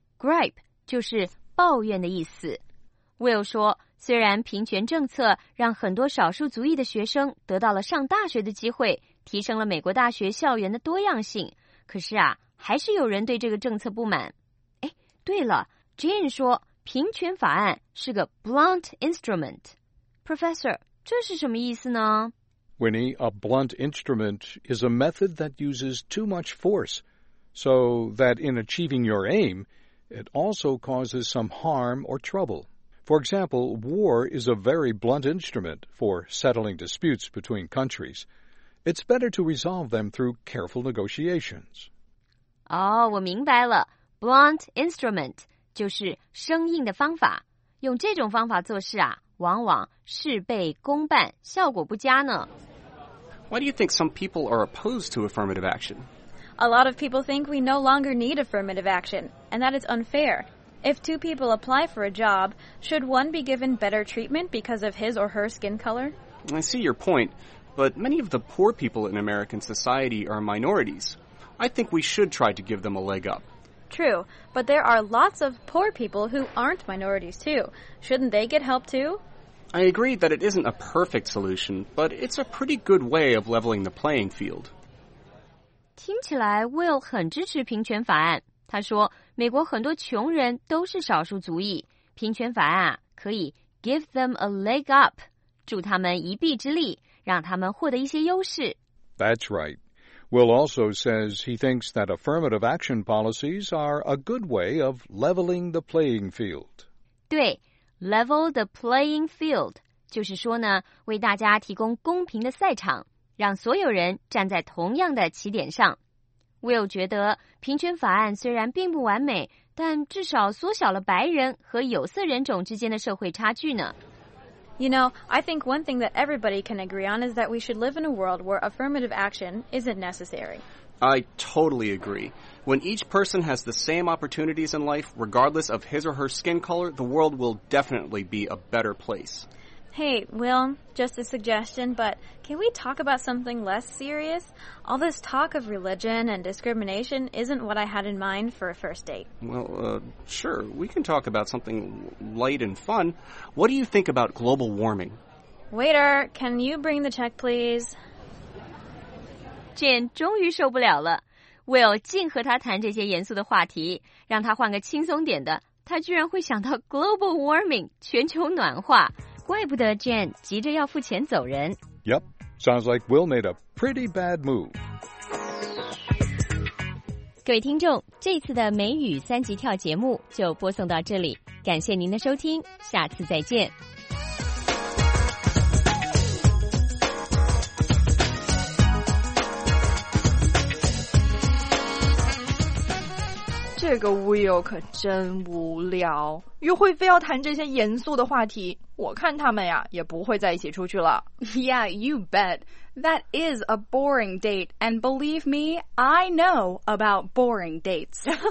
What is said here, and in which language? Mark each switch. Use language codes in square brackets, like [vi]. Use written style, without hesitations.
[zh] Gripe 就是抱怨的意思。Will 说，虽然平权政策让很多少数族裔的学生得到了上大学的机会，提升了美国大学校园的多样性，可是啊，还是有人对这个政策不满。哎，对了 ，Jane 说，平权法案是个 [en] blunt instrument。 [zh] Professor， 这是什么意思呢 [en] ？Winnie， a blunt instrument is a method that uses too much force, so that in achieving your aim, it also causes some harm or trouble. For example, war is a very blunt instrument for settling disputes between countries. It's better to resolve them through careful negotiations. [zh] 哦，我明白了。 [en] Blunt instrument [zh] 就是生硬的方法。用这种方法做事啊，往往事倍功半，效果不佳呢。 [en] Why do you think some people are opposed to affirmative action? A lot of people think we no longer need affirmative action, and that is unfair. If two people apply for a job, should one be given better treatment because of his or her skin color? I see your point, but many of the poor people in American society are minorities. I think we should try to give them a leg up. True, but there are lots of poor people who aren't minorities too. Shouldn't they get help too? I agree that it isn't a perfect solution, but it's a pretty good way of leveling the playing field. [zh] 听起来 Will 很支持平权法案。他说美国很多穷人都是少数族裔，平权法案可以 [en] give them a leg up， [zh] 助他们一臂之力，让他们获得一些优势。 [en] That's right. Will also says he thinks that affirmative action policies are a good way of leveling the playing field. [zh] 对， [en] level the playing field [zh] 就是说呢，为大家提供公平的赛场，让所有人站在同样的起点上。 Will 觉得平权法案虽然并不完美，但至少缩小了白人和有色人种之间的社会差距呢。 [en] You know, I think one thing that everybody can agree on is that we should live in a world where affirmative action isn't necessary. I totally agree. When each person has the same opportunities in life, regardless of his or her skin color, the world will definitely be a better place. Hey, Will, just a suggestion, but can we talk about something less serious? All this talk of religion and discrimination isn't what I had in mind for a first date. Well, sure, we can talk about something light and fun. What do you think about global warming? Waiter, can you bring the check, please? [zh] Jen 终于受不了了。 Will 竟和他谈这些严肃的话题，让他换个轻松点的，他居然会想到 [en] global warming, [zh] 全球暖化。怪不得 Jen 急着要付钱走人。 [en] Yep, sounds like Will made a pretty bad move. [zh] 各位听众，这次的美语三级跳节目就播送到这里，感谢您的收听，下次再见。这个 Will 可真无聊，约会非要谈这些严肃的话题，我看他们呀也不会在一起出去了。 [en] Yeah, you bet. That is a boring date. And believe me, I know about boring dates.